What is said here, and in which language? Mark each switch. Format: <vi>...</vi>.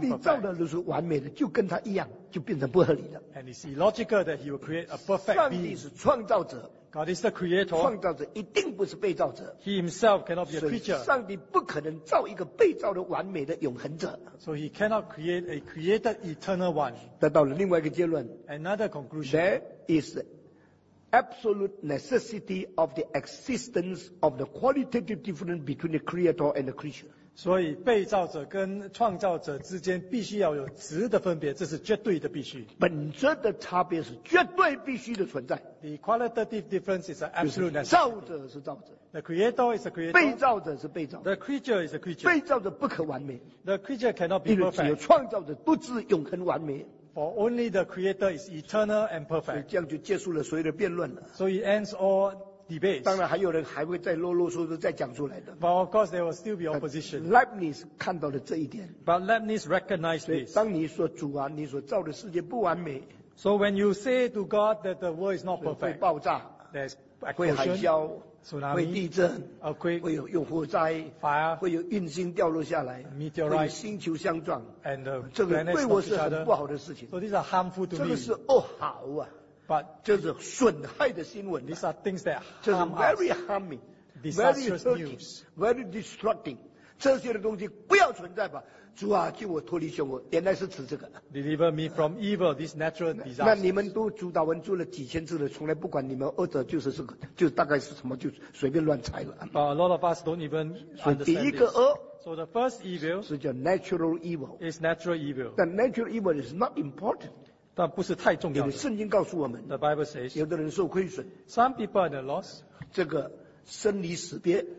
<zh>上帝造的如此完美的，就跟他一样, 就变成不合理的。</zh> <en>And it's illogical that he will create a perfect being.</en> <zh>上帝是创造者,</zh> <en>God is the creator.</en> <zh>创造者一定不是被造者,</zh> <en>he himself cannot be a creature.</en> <zh>上帝不可能造一个被造的完美的永恒者。</zh> <en>So he cannot create a created eternal one.</en> <zh>得到了另外一个结论,</zh> <en>another conclusion. There is absolute necessity of the existence of the qualitative difference between the creator and the creature.</en> <zh>所以被造者跟创造者之间必须要有质的分别，这是绝对的必须。本质的差别是绝对必须的存在。</zh> <en>The qualitative difference is an absolute necessity.</en> <zh>造者是造者,</zh> <en>the creator is a creator.</en> <zh>被造者是被造者,</zh> <en>the creature is a creature.</en> <zh>被造者不可完美,</zh> <en>the creature cannot be perfect.</en> <zh>因为只有创造者不至永恒完美,</zh> <en>for only the creator is eternal and perfect.</en> <zh>这样就结束了所有的辩论了。</zh> <en>So it ends all debates.</en> <zh>当然还有人还会再啰啰嗦嗦再讲出来的。</zh> <en>But of course there will still be opposition.</en> <zh>Leibniz 看到了这一点。</zh> <en>But Leibniz recognized this.</en> <zh>当你说主啊, 你所造的世界不完美,</zh> <en>so when you say to God that the world is not perfect,</en> <zh>会爆炸,</zh> <en>there's explosion,</en> <zh>会地震,</zh> <en>earthquake,</en> <zh>会有火灾,</zh> <en>fire,</en> <zh>会有运星掉落下来,</zh> <en>meteorite,</en> <zh>会有星球相撞,</zh> <en>and the planets,</en> <zh>这个对我是很不好的事情。</zh> <en>So these are harmful to me.</en> <zh>这个是恶好啊,</zh> <en>but</en> <zh>这是损害的新闻啊,</zh> <en>these are things that harm us.</en> <zh>这是</zh> <en>very harming, very hurting, very destructing.</en> <zh>这些的东西不要存在吧。主啊, 救我脱离凶恶, 原来是指这个。</zh> <en>Deliver me from evil, this natural disaster.</en> <zh>那你们都主导文做了几千次的, 从来不管你们恶者就是这个, 就大概是什么, 就随便乱猜了。</zh> <en>But a lot of us don't even understand this.</en> <zh>第一个恶,</zh> <en>so the first evil,</en> <zh>是叫</zh> <en>natural evil. It's natural evil. The natural evil is not important.</en> <zh>但不是太重要的。因为圣经告诉我们,</zh> <en>the Bible says,</en> <zh>有的人受亏损,</zh> <en>some people are the loss.</en> <zh>这个, 生离死别,</zh>